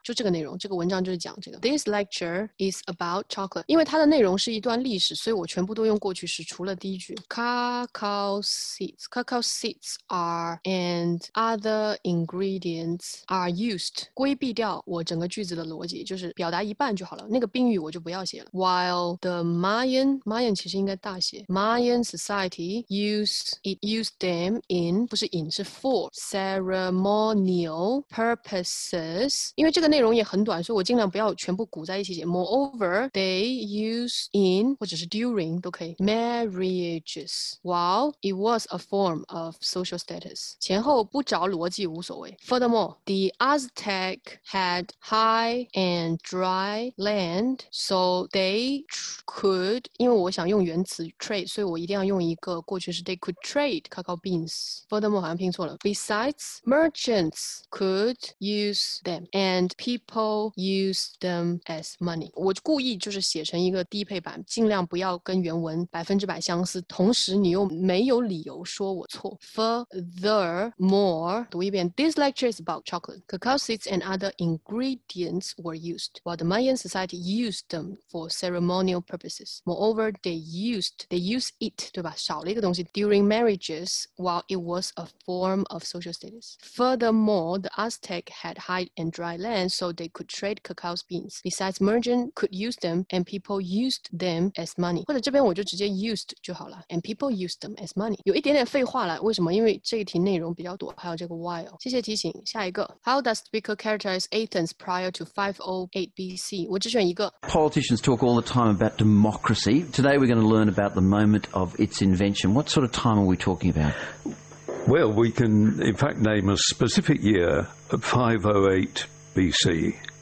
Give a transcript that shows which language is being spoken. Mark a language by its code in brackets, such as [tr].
[zh] 就这个内容，这个文章就是讲这个。 [en] This lecture is about chocolate. [zh] 因为它的内容是一段历史，所以我全部都用过去式，除了第一句。 [en] Cacao seeds are and other ingredients are used. [zh] 规避掉我整个句子的逻辑，就是表达一半就好了。那个宾语我就不要写了。 [en] While the Mayan [zh] 其实应该大写 [en] ，Mayan society used them in [zh] 不是 [en] in [zh] 是 [en] for ceremonial purposes。 [zh] 因为这个内容也很短，所以我尽量不要全部鼓在一起写。 [en] Moreover, they used in [zh] 或者是 [en] during [zh] 都可以 [en] marriages while it was a form of social status。 [zh] 前后不着逻辑无所谓。 [en] Furthermore, the Aztec had high and dry land. So they could, [zh] 因为我想用原词 trade, 所以我一定要用一个过去式 [en] they could trade cacao beans. Furthermore, [zh] 好像拼错了。 [en] Besides, merchants could use them, and people use them as money. [zh] 我故意就是写成一个低配版，尽量不要跟原文百分之百相似，同时你又没有理由说我错。 [en] Furthermore, [zh] 读一遍。 [en] This lecture is about chocolate. Cacao seeds and other ingredients were used, while the Mayan society used them for ceremonial purposes. Moreover, they use it, [zh] 对吧？少了一个东西。 [en] During marriages, while it was a form of social status. Furthermore, the Aztec had high and dry land, so they could trade cacao beans. Besides, merchants could use them, and people used them as money. [zh] 或者这边我就直接 used 就好了。 [en] And people used them as money. [zh] 有一点点废话了，为什么？因为这一题内容比较多，还有这个 while。谢谢提醒。下一个。 [en] How does Speaker characterize Athens prior to 508 BC? [zh] 我只选一个。 [en] Politicians talk all the time about democracy. Today we're going to learn about the moment of its invention. What sort of time are we talking about? Well, we can in fact name a specific year, 508 BC.